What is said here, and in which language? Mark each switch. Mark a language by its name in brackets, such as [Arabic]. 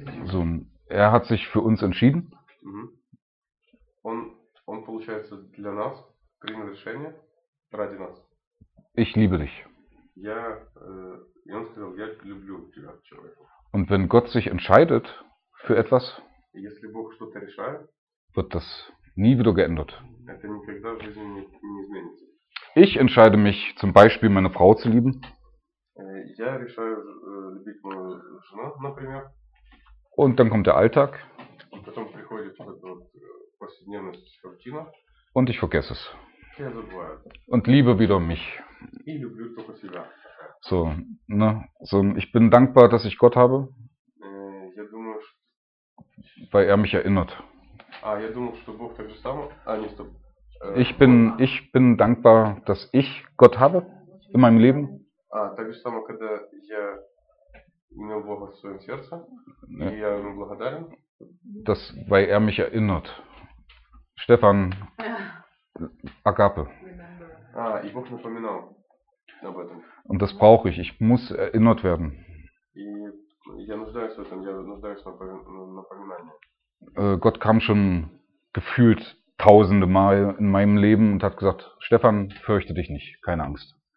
[German] So, er hat sich für uns entschieden. Mhm. [Russian] Он получается для нас принял решение ради нас. [German] Ich liebe dich. [Russian] Он сказал, я люблю тебя, человек. [German] Und wenn Gott sich entscheidet für etwas, [Russian] если Бог что-то решает, [German] wird das nie wieder geändert. [Russian] Это никогда в жизни не изменится. [German] Ich entscheide mich, zum Beispiel meine Frau zu lieben. [Russian] Я решаю любить мою жену, например. [German] Und dann kommt der Alltag. [Russian] Und потом приходит вот эта повседневность, рутина. [German] Und ich vergesse es. [Russian] Я забываю. [German] Und liebe wieder mich. [Russian] И люблю только себя. [German] So, ne? So, ich bin dankbar, dass ich Gott habe. [Russian] Я думаю, [German] weil er mich erinnert. [Russian] Я думал, что Бог так же сам. Не стоп. [German] Ich bin dankbar, dass ich Gott habe in meinem Leben. [Russian] Так же само, когда я имел Бога в своем сердце, ne? И я ему благодарен. [German] Das, weil er mich erinnert. Stefan, Agape. [Russian] И Бог напоминал об этом. [German] Und das brauche ich. Ich muss erinnert werden. [Russian] Я нуждаюсь в этом. Я нуждаюсь в напоминании. [German] Gott kam schon gefühlt tausende Mal in meinem Leben und hat gesagt, Stefan, fürchte dich nicht, keine Angst.